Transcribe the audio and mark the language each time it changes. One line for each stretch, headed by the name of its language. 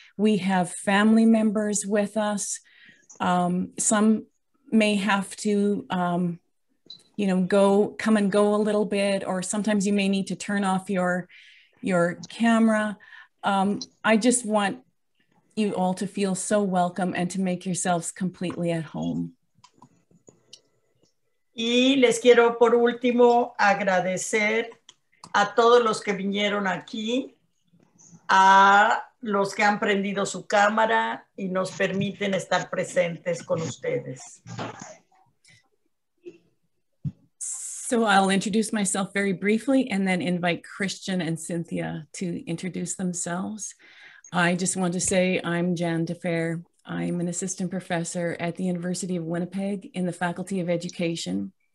English: We have family members with us. Some may have to, come and go a little bit, or sometimes you may need to turn off your camera. I just want you all to feel so welcome and to make yourselves completely at home.
Spanish: Y les quiero por último agradecer a todos los que vinieron aquí, a los que han prendido su cámara y nos permiten estar presentes con ustedes.
English: So I'll introduce myself very briefly and then invite Christian and Cynthia to introduce themselves. I just want to say I'm Jan DeFair. I'm an assistant professor at the University of Winnipeg in the Faculty of Education.